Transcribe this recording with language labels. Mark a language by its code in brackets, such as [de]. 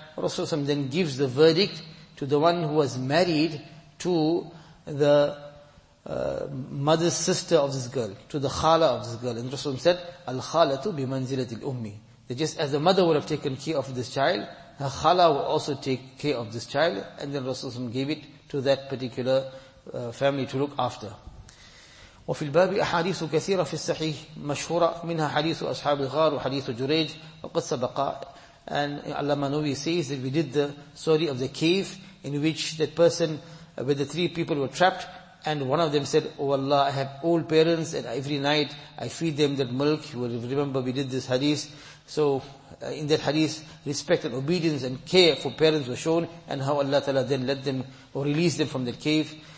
[en] Rasulullah then gives the verdict to the one who was married to the mother's sister of this girl, to the khala of this girl. And Rasulullah said, [ar] Al-khalatu bi manzilatil ummi. [en] That just as the mother would have taken care of this child, her khala will also take care of this child. And then Rasulullah gave it to that particular family to look after. [ar] وفي الباب أحاديث كثيرة في الصحيح مشهورة منها حديث أصحاب الغار وحديث جريج وقد سبق. [en] And Allama Nawawi says that we did the story of the cave in which that person with the three people were trapped, and one of them said, oh Allah, I have old parents and every night I feed them that milk. You will remember we did this hadith. So in that hadith, respect and obedience and care for parents were shown, and how Allah Ta'ala then let them or release them from the cave.